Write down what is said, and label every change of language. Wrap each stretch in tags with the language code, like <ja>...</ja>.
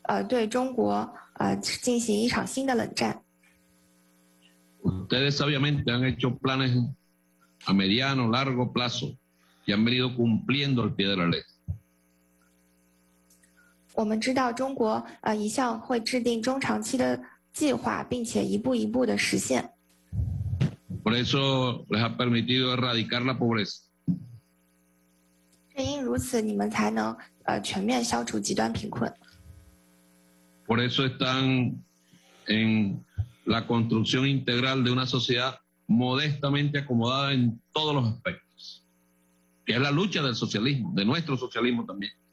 <zh>我们也坚决反对美国政府对中国进行一场新的冷战。</zh> <es>Ustedes sabiamente han hecho planes a mediano, largo plazo y han venido cumpliendo al pie de la letra.</es> <zh>我们知道中国一向会制定中长期的 计划，并且一步一步的实现。</zh> <es>Por eso les ha permitido erradicar la pobreza.</es> <zh>正因如此，你们才能全面消除极端贫困。</zh> <es>Por eso están en la construcción integral de una sociedad modestamente acomodada en todos los aspectos. Que es la lucha del socialismo, de nuestro socialismo también.</es>